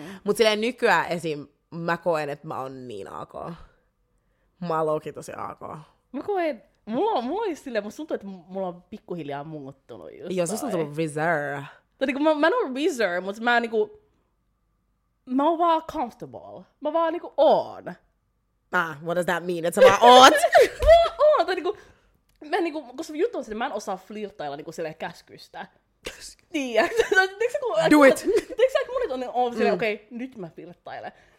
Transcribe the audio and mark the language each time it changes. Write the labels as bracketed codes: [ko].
[fi] Mut silleen nykyään esim. Mä koen, että mä oon niin AK. Mä oon loukin tosi AK. Mä koen, mulla on silleen, musta tuntuu, että mulla on pikkuhiljaa muuttunut just. Joo, susta on tullut reserve. Tätä, mä en oo reserve, mut mä niinku, mä oon vaan comfortable. Mä vaan niinku oon. [en] Ah, what does that mean? [fi] Että sä vaan oot? Mä oon, tai niinku, mä niinku, koska juttu on se, että mä en osaa flirtailla niinku silleen käskystä. Tiedätkö? [en] Do it! [fi] Tiedätkö sä, että monet on silleen, okei, nyt mä flirtailen.